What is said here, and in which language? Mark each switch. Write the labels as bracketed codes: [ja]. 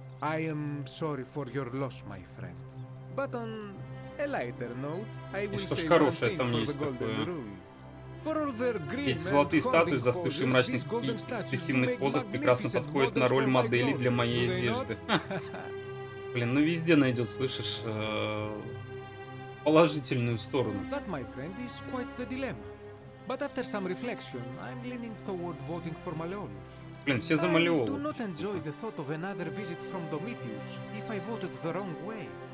[en] I am sorry for your loss, my friend. But on a lighter note, I wish you good luck for the golden room. [ru] Эти золотые статуи, застывшие в мрачных и экспрессивных позах, прекрасно подходят на роль моделей для моей одежды. Блин, ну везде найдет, слышишь, положительную сторону. [en] That, my friend, is quite the dilemma. But after some reflection, I'm leaning toward voting for Malleolus. [ru] Блин, все за Малеолу. [en] I do not enjoy the thought of another visit from Domitius if I voted the wrong way.